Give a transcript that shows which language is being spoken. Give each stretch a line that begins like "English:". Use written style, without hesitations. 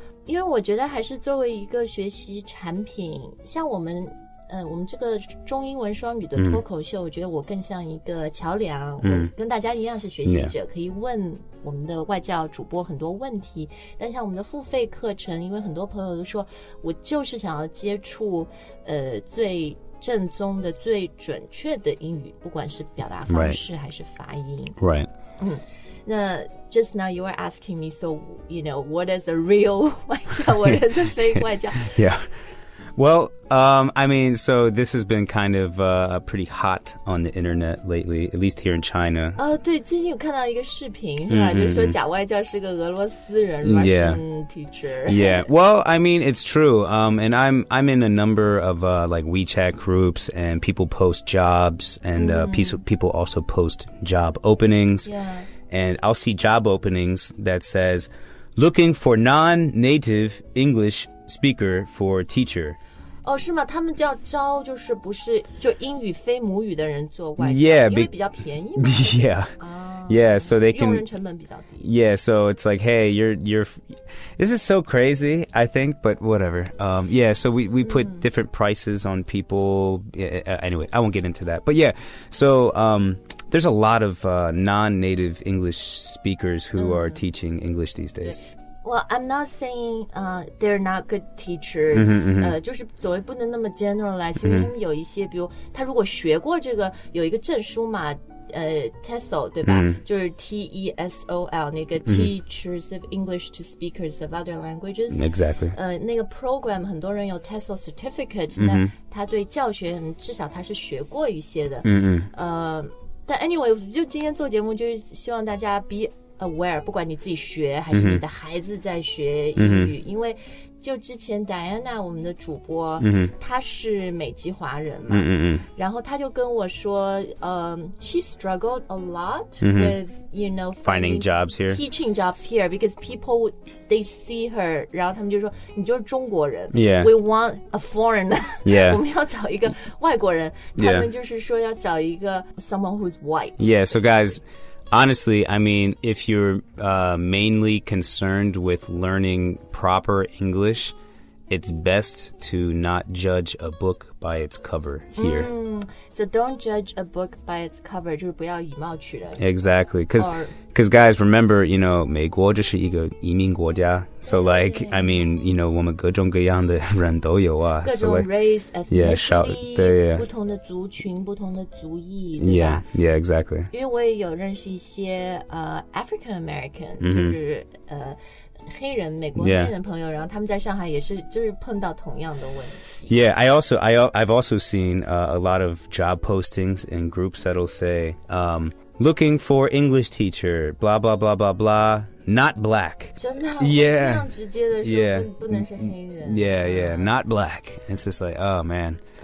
Chinese: 因为我觉得还是作为一个学习产品，像我们这个中英文双语的脱口秀，我觉得我更像一个桥梁，我跟大家一样是学习者，可以问我们的外教主播很多问题。但像我们的付费课程，因为很多朋友都说我就是想要接触最正宗的最准确的英语，不管是表达方式还是发音。
English: Right. 那 just now you were asking me, so you know, what is a real 外教, what is a fake 外教? Yeah. Well, I mean, so this has been kind of pretty hot on the internet lately, at least here in China.
Chinese: 对，最近有看到一个视频，是吧？就说假外教是个俄罗斯人
English: Russian teacher. Yeah. Well, I mean, it's true. And I'm in a number of like WeChat groups, and people post jobs, and people also post job openings. Yeah. And I'll see job openings that says, looking for non-native English speaker for teacher.
Chinese: 是吗？他们叫招就是不是就英语非母语的人做外教。
English: Yeah,
Chinese: 因为比较便宜嘛。
English: Yeah. Yeah, so they can.
Chinese: 用人成本比较低。
English: Yeah, so it's like, hey, you're. This is so crazy, I think, but whatever. Yeah, so we put different prices on people. Anyway, I won't get into that. But yeah, so there's a lot of non-native English speakers who are teaching English these days. Well, I'm not saying they're not good teachers.
Chinese: 就是所谓不能那么 generalize, 因为有一些，比如他如果学过这个，有一个证书嘛。
English: TESOL
Chinese: 对吧、就是
English: TESOL 那个 Teachers of English to Speakers of Other Languages. Exactly.
Chinese: 那个 program 很多人有 TESOL Certificate, 那他对教学至少他是学过一些的。但 anyway, 就今天做节目就是希望大家
English: be aware,
Chinese: 不管你自己学还是你的孩子在学英语、因为就之前 Diana 我们的主播她是美籍华人嘛，然后她就跟我说
English: she struggled a lot with, you know, finding jobs here, teaching jobs here, because people, they see her,
Chinese: 然后他们就说你就是中国人、
English: yeah. we want a foreigner、 yeah.
Chinese: 我们要找一个外国人，他们就是说要找一个
English: someone who's white. Yeah, so guys, honestly, I mean, if you're mainly concerned with learning proper English, it's best to not judge a book by its cover here. Mm, so don't judge a book by its cover,
Chinese: 就是不要以貌取人。
English: Exactly, because guys, remember, you know,
Chinese: 美国就是一个移民国家。
English: So like, I mean, you know, 我们各种各样的人都有啊。
Chinese: 各种 race, ethnicity,
English: yeah,
Chinese: 少对呀、不同的族群，不同的族裔，对吧
English: ？Yeah, yeah, exactly.
Chinese: 因为我也有认识一些African American,、mm-hmm. 就是黑人美国黑人朋友、
English: yeah.
Chinese: 然后他们在上海也是就是碰到同样的问题
English: Yeah, I've also seen、a lot of job postings in groups that'll say、looking for English teacher blah blah blah blah blah not black
Chinese: 真的
English: Yeah
Chinese: 这样直接的说
English: yeah.
Chinese: 不能是黑人
English: Yeah, yeah, not black It's just like, oh man、